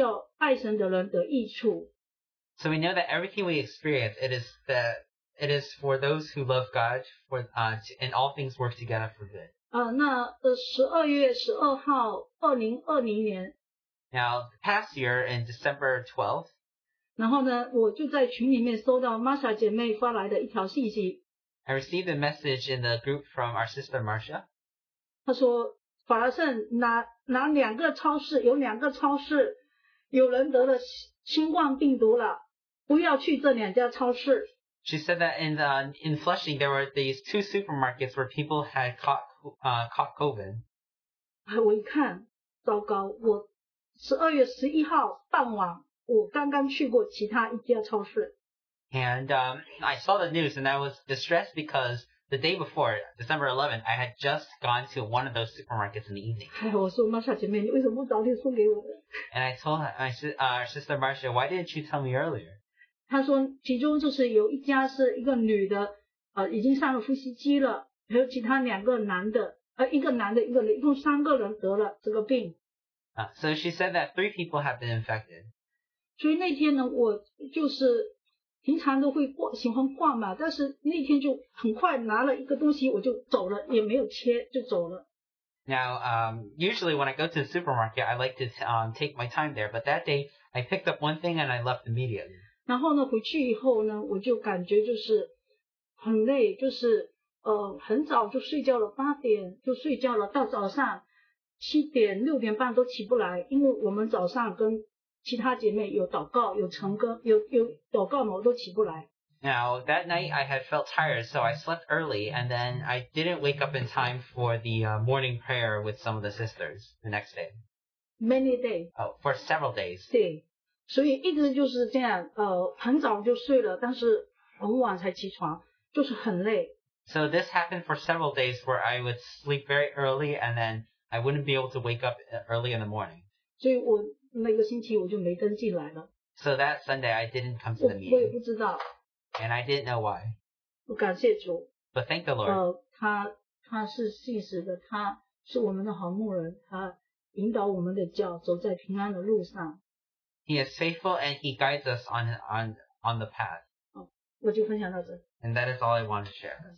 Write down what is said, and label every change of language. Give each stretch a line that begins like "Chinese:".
Chinese: 所以我觉得，就是我们每经历一件事情，都是神，都需要爱神的人的益处。
English: So we know that everything we experience, it is for those who love God, for and all things work together for good.
Chinese: 那12月12号，2020年。
English: Now, the past year, in December 12th,
Chinese: 然后呢，我就在群里面收到 Marsha 姐妹发来的一条信息。
English: I received a message in the group from our sister Marsha.
Chinese: 她说，法拉盛拿两个超市，有两个超市有人得了新冠病毒了，不要去这两家超市。
English: She said that in Flushing there were these two supermarkets where people had caught COVID.
Chinese: 我一看，糟糕，我12月11号傍晚我刚刚去过其他一家超市。
English: And I saw the news and I was distressed because the day before, December 11th, I had just gone to one of those supermarkets in the evening.
Chinese: 我说 Marsha 姐妹，你为什么不早点送给我？
English: And I told her, our sister Marsha, why didn't you tell me earlier?
Chinese: 她说其中就是有一家是一个女的已经上了呼吸机了，还有其他两个男的一个男的一个女，一共三个人得了这个病。
English: So she said that three people have been infected.
Chinese: 所以那天呢，我就是平常都会逛，喜欢逛嘛，但是那天就很快拿了一个东西，我就走了，也没有切，就走了。
English: Now, usually when I go to the supermarket, I like to take my time there. But that day, I picked up one thing and I left immediately.
Chinese: 然后呢，回去以后呢，我就感觉就是很累，就是很早就睡觉了，八点就睡觉了，到早上七点六点半都起不来，因为我们早上跟其他姐妹有祷告，有晨更，有祷告嘛，我都起不来。
English: Now that night I had felt tired, so I slept early, and then I didn't wake up in time for the morning prayer with some of the sisters the next day. Many days. Oh, for several days.
Chinese: 对，所以一直就是这样，很早就睡了，但是很晚才起床，就是很累。
English: So this happened for several days where I would sleep very early and then I wouldn't be able to wake up early in the morning.
Chinese: 所以我那个星期我就没跟进来了。
English: So that Sunday I didn't come to the meeting.
Chinese: 我也不知道。
English: And I didn't know why.
Chinese: 我感谢主。
English: But thank the Lord.
Chinese: 他是信实的，他是我们的好牧人，他引导我们的脚走在平安的路上。
English: He is faithful and he guides us on the path.
Chinese: 我就分享到这。
English: And that is all I wanted to share.